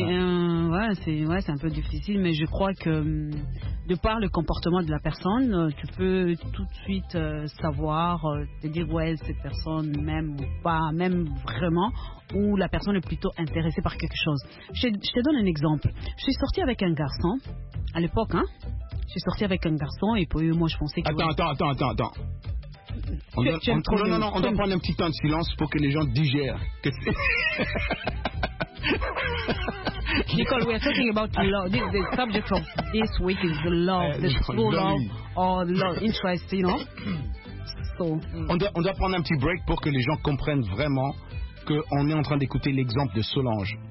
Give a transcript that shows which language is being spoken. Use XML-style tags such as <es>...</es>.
<fr>Ouais, c'est un peu difficile, mais je crois que de par le comportement de la personne, tu peux tout de suite savoir, te dire ouais, cette personne m'aime ou pas, m'aime vraiment, ou la personne est plutôt intéressée par quelque chose. Je te donne un exemple. Je suis sortie avec un garçon, à l'époque, hein. Je suis sortie avec un garçon et puis moi je pensais que... Attends. On doit prendre un petit temps de silence pour que les gens digèrent.</fr> <en>Nicole, we are talking about love. The subject of this week is the love, the true love or love interest, you know.</en> <fr>On doit prendre un petit break pour que les gens comprennent vraiment qu'on est en train d'écouter l'exemple de Solange.</fr>